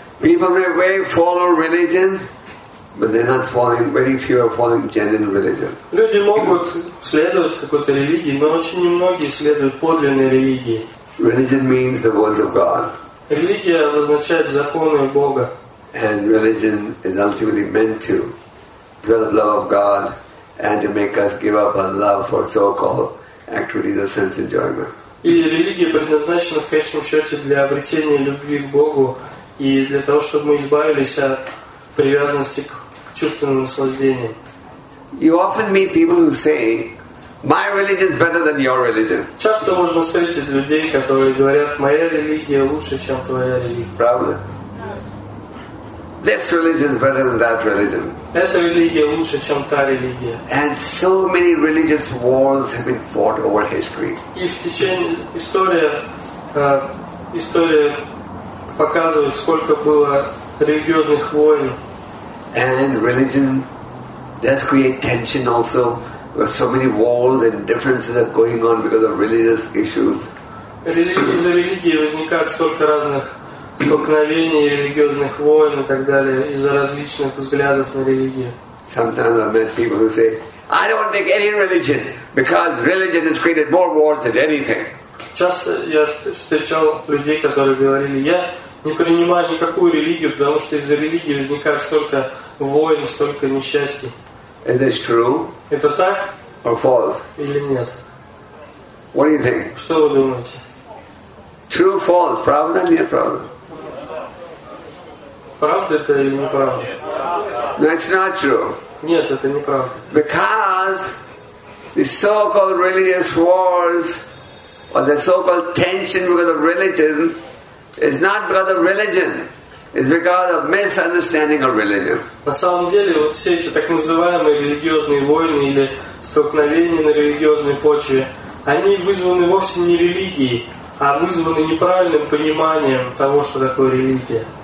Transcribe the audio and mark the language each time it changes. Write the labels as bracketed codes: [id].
[en] People may very follow religion, but they're not falling, very few are falling genuine religion. [ru] Люди могут следовать какой-то религии, но очень немногие следуют подлинной религии. [en] Religion means the words of God. [ru] Религия означает законы Бога. [en] And religion is ultimately meant to develop love of God and to make us give up our love for so-called activities of sense enjoyment. [ru] И религия предназначена в конечном счете для обретения любви к Богу и для того, чтобы мы избавились от привязанности к чувственным наслаждениям. [en] You often meet people who say, my religion is better than your religion. [ru] Часто можно встретить людей, которые говорят, моя религия лучше, чем твоя религия. Правда? [en] This religion is better than that religion. [ru] Эта религия лучше, чем та религия. [en] And so many religious wars have been fought over history. [ru] И в течение история показывает, сколько было религиозных войн. [en] And religion does create tension also. Because so many wars and differences are going on because of religious issues. [ru] Из-за религии возникает столько разных столкновений, религиозных войн и так далее, из-за различных взглядов на религию. [en] Sometimes I've met people who say, I don't want to take any religion because religion has created more wars than anything. [ru] Часто я встречал людей, которые говорили, я не принимаю никакую религию, потому что из-за религии возникает столько войн, столько несчастий. [en] Is this true? [ru] Это так? [en] Or false? [ru] Или нет? [en] What do you think? [ru] Что вы думаете? [en] True, false, [ru] правда или неправда? Правда это или неправда? [en] No, it's not true. [ru] Нет, это неправда. [en] Because the so-called religious wars or the so-called tension because of religion is not because of religion. It's because of misunderstanding of religion. [ru] На самом деле, вот все эти так называемые религиозные войны или столкновения на религиозной почве, они вызваны вовсе не религией, а вызваны неправильным пониманием того, что такое религия.